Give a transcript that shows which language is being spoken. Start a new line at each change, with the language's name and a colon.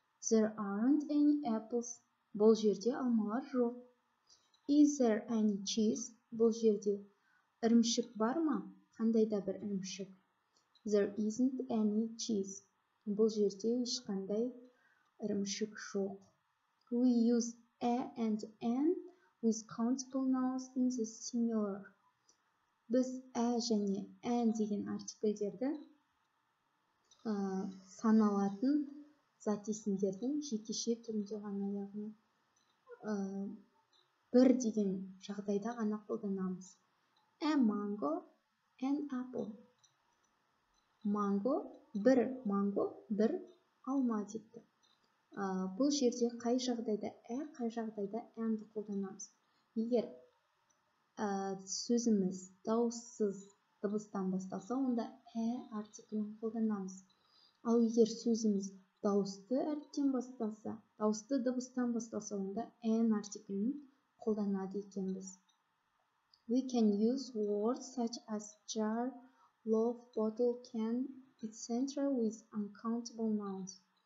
English: There aren't any apples.
Kazakh: Бұл жерде алмалар жоқ.
English: Is there any cheese?
Kazakh: Бұл жерде ірімшік бар ма? Қандай да бір ірімшік.
English: There isn't any cheese.
Kazakh: Бұл жерде ешқандай ірімшік жоқ.
English: We use a and an with countable nouns in the singular.
Kazakh: Біз a және an деген артикльдерді саналатын зат есімдердің жекеше түрінде ғана яғни бір деген жағдайда ғана қолданамыз.
English: A mango, an apple.
Kazakh: Mango, бір mango, бір алма депті. Бұл жерде қай жағдайда a, қай жағдайда an-ды қолданамыз. Егер сөзіміз дауыссыз дыбыстан басталса, онда ә артиклін қолданамыз. Ал егер сөзіміз дауысты әріптен басталса, дауысты дыбыстан басталса, онда ән артиклін қолданады екенбіз.
English: We can use words such as jar, loaf, bottle, can, etc. with uncountable nouns.